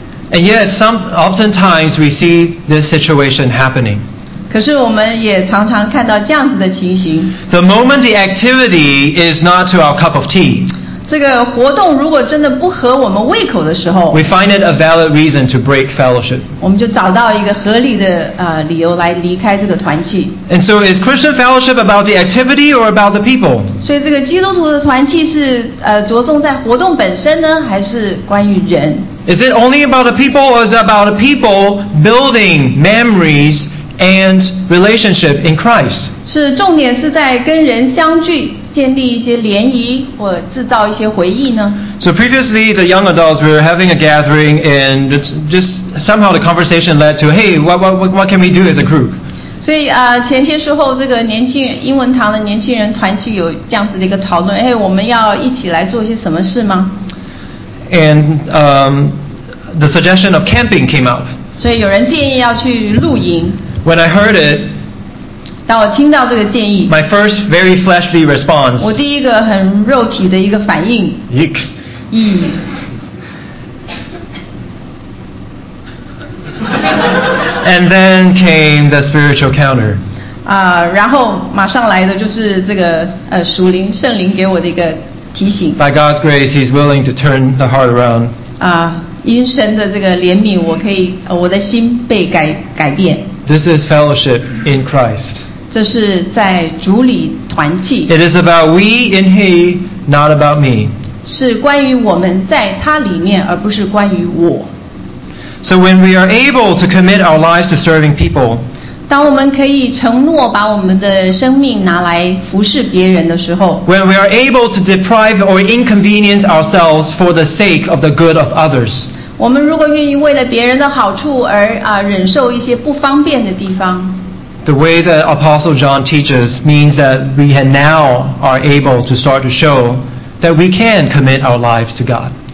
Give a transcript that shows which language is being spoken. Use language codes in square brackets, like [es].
[en] And yet oftentimes we see this situation happening. [zh] 可是我们也常常看到这样子的情形。 [en] The moment the activity is not to our cup of tea, [zh] 这个活动如果真的不合我们胃口的时候， [en] we find it a valid reason to break fellowship. [zh] 我们就找到一个合理的理由来离开这个团契。 [en] And so is Christian fellowship about the activity or about the people? [zh] 所以这个基督徒的团契是着重在活动本身呢，还是关于人？ [en] Is it only about the people or is it about the people building memories and relationship in Christ? [zh] 是重点是在跟人相聚，建立一些联谊，或制造一些回忆呢？ [en] So previously, the young adults were having a gathering, and just somehow the conversation led to, hey, what can we do as a group? [zh] 所以前些时候这个年轻人英文堂的年轻人团契有这样子的一个讨论，哎，我们要一起来做些什么事吗？ [en] And the suggestion of camping came up. [zh] 所以有人建议要去露营。 [en] When I heard it, [zh] 当我听到这个建议， [en] my first very fleshly response, [zh] 我第一个很肉体的一个反应， [en] Eek. And then came the spiritual counter. [zh] 然后马上来的就是这个属灵圣灵给我的一个提醒。 [en] By God's grace, He's willing to turn the heart around. [zh] 因神的这个怜悯，我可以我的心被改变。 [en] This is fellowship in Christ. [zh] 这是在主里团契。 [en] It is about we in He, not about me. [zh] 是关于我们在他里面，而不是关于我。 [en] So when we are able to commit our lives to serving people, [zh] 当我们可以承诺把我们的生命拿来服侍别人的时候， [en] when we are able to deprive or inconvenience ourselves for the sake of the good of others, [zh] 我们如果愿意为了别人的好处而忍受一些不方便的地方， [en] the way that Apostle John teaches means that we now are able to start to show that we can commit our lives to God.